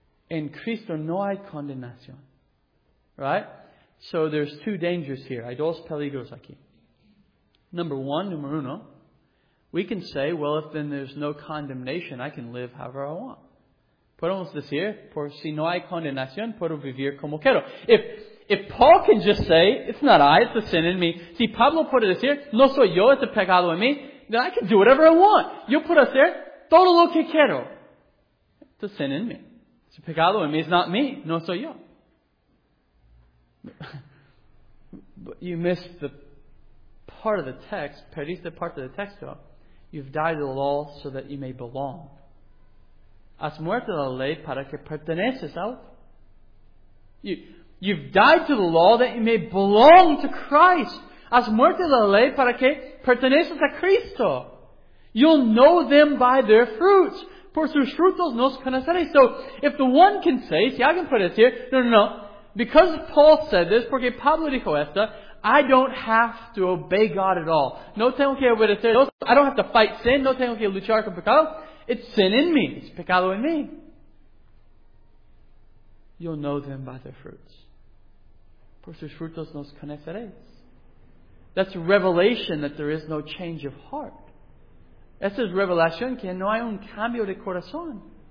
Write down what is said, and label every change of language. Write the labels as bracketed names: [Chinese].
[Spanish] In Cristo no hay condenación. Right? [English] So there's two dangers here. [Spanish] Hay dos peligros aquí. Número uno, [English] we can say, well, if then there's no condemnation, I can live however I want. [Spanish] Podemos decir, por si no hay condenación, puedo vivir como quiero. [English] If Paul can just say, it's not I, it's the sin in me. [Spanish] Si Pablo puede decir, no soy yo, es el pecado en mí, [English] then I can do whatever I want. [Spanish] Yo puedo hacer todo lo que quiero. [English] It's the sin in me. It's a pecado in me. It's not me. [Spanish] No soy yo. [English] But you missed the part of the text. Perdiste part of the text, though. You've died to the law so that you may belong. [Spanish] Has muerto la ley para que perteneces a otro. [English] You've died to the law that you may belong to Christ. [Spanish] Has muerto la ley para que perteneces a Cristo. [English] You'll know them by their fruits. [Spanish] Por sus frutos nos conoceréis. [English] So, if the one can say, [Spanish] si alguien puede decir, [English] no, because Paul said this, [Spanish] porque Pablo dijo esto, [English] I don't have to obey God at all. [Spanish] No tengo que obedecer. [English] I don't have to fight sin. [Spanish] No tengo que luchar con pecado. [English] It's sin in me. It's pecado in me. You'll know them by their fruits. [Spanish] Por sus frutos nos conoceréis. [English] That's revelation that there is no change of heart. [Spanish] Esa es revelación que no hay un cambio de corazón.